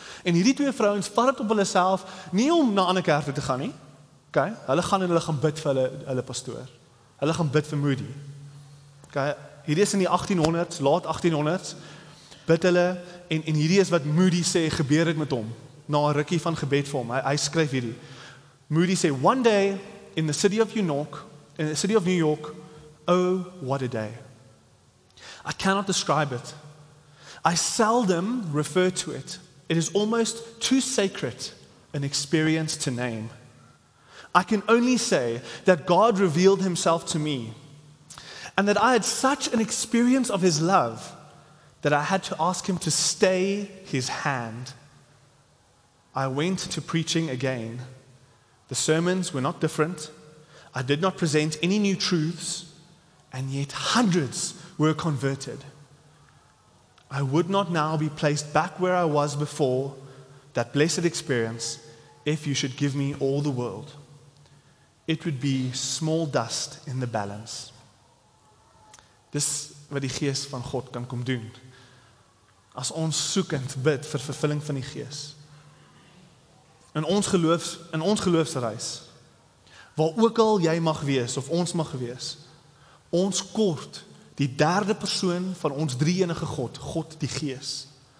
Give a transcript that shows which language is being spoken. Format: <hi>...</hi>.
<af>En hierdie twee vrouens vat dit op hulle self nie om na 'n ander kerk toe te gaan nie. Okay, hulle gaan en hulle gaan bid vir hulle pastoor. Hulle gaan bid vir Moody. Okay, hierdie is in die 1800s, laat 1800s, bid hulle, en hierdie is wat Moody sê gebeur het met hom. na 'n rukkie van gebed vir hom. Hy skryf hierdie. Moody sê,</af> <en>"One day in the city of New York, oh what a day. I cannot describe it. I seldom refer to it. It is almost too sacred an experience to name. I can only say that God revealed himself to me and that I had such an experience of his love that I had to ask him to stay his hand. I went to preaching again. The sermons were not different. I did not present any new truths, and yet hundreds were converted. I would not now be placed back where I was before that blessed experience if you should give me all the world. It would be small dust in the balance."</en> <af>Dis wat die Gees van God kan kom doen. As ons soekend bid vir vervulling van die Gees. In ons geloofsreis, waar ook al jy mag wees of ons mag wees, ons kort die derde persoon van ons drie-enige God, God die Gees.</af>